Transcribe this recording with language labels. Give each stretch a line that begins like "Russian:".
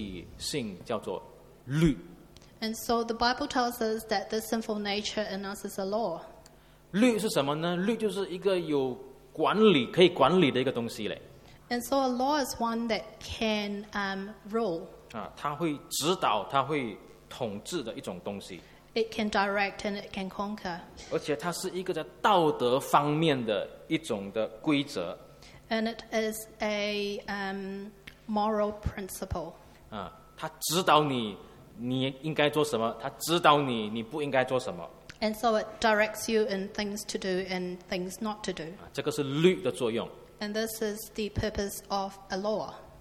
Chinese: 圣经称我们里面这个的罪性叫做律。
English: And so the Bible tells us that the sinful nature in us is a law.
Chinese: 律是什么呢？律就是一个有管理，可以管理的一个东西嘞。
English: And so a law is one that can rule.
Chinese: 它会指导，它会统治的一种东西。
English: It can direct and it can conquer.
Chinese: 而且它是一个在道德方面的一种的规则。
English: And it is a moral principle.
Chinese: 它指导你，你应该做什么，它指导你，你不应该做什么。
English: And so it directs you in things to do and things not to do.
Chinese: 这个是律的作用。
English: And this is the purpose of a law.